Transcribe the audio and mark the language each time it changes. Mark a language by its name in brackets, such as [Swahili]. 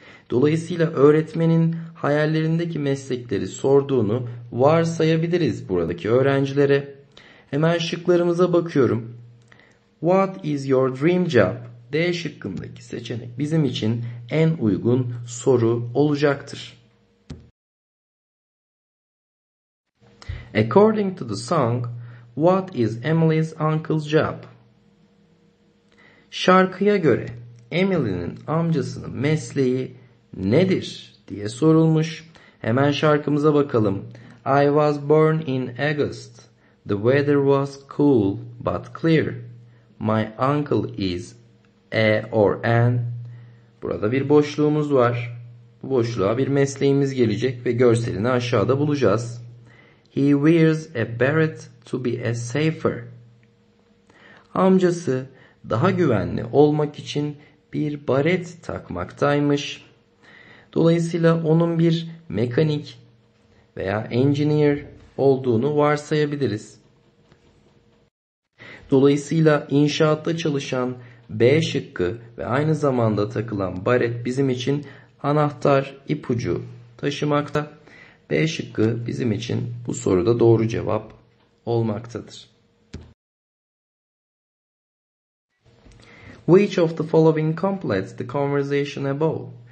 [Turkish] Dolayısıyla öğretmenin hayallerindeki meslekleri sorduğunu varsayabiliriz buradaki öğrencilere. Hemen şıklarımıza bakıyorum. [English] What is your dream job? [Turkish] D şıkkındaki seçenek bizim için en uygun soru olacaktır. [English] According to the song, what is Emily's uncle's job? [Turkish] Şarkıya göre Emily'nin amcasının mesleği nedir diye sorulmuş. Hemen şarkımıza bakalım. [English] I was born in August. The weather was cool but clear. My uncle is a or an. [Turkish] Burada bir boşluğumuz var. Bu boşluğa bir mesleğimiz gelecek ve görselini aşağıda bulacağız. [English] He wears a beret to be a safer. [Turkish] Amcası daha güvenli olmak için bir baret takmaktaymış. Dolayısıyla onun bir mekanik veya engineer olduğunu varsayabiliriz. Dolayısıyla inşaatta çalışan B şıkkı ve aynı zamanda takılan baret bizim için anahtar ipucu taşımakta. B şıkkı bizim için bu soruda doğru cevap olmaktadır. [English] Which of the following completes the conversation above?